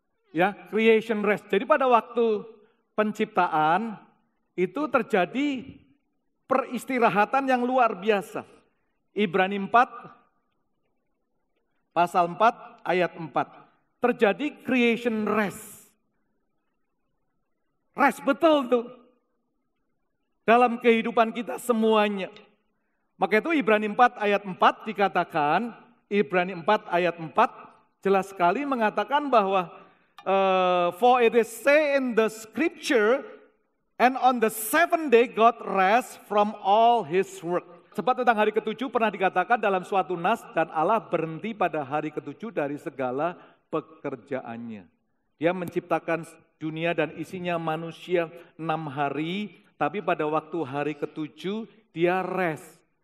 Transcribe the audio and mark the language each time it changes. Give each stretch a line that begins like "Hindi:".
Indonesian: Ya,
English: creation rest.
Indonesian: Jadi pada waktu penciptaan itu terjadi peristirahatan yang luar biasa. Ibrani 4 pasal 4 ayat 4. Terjadi creation rest. Rest betul tuh. Dalam kehidupan kita semuanya. Maka itu Ibrani 4 ayat 4 dikatakan, Ibrani 4 ayat 4 jelas sekali mengatakan bahwa
English: for it is said in the scripture, and on the seventh day God rest from all his work.
Indonesian: Sebab tentang hari ketujuh pernah dikatakan dalam suatu nas, dan Allah berhenti pada hari ketujuh dari segala pekerjaannya. Dia menciptakan dunia dan isinya manusia 6 hari, tapi pada waktu hari ketujuh dia rest.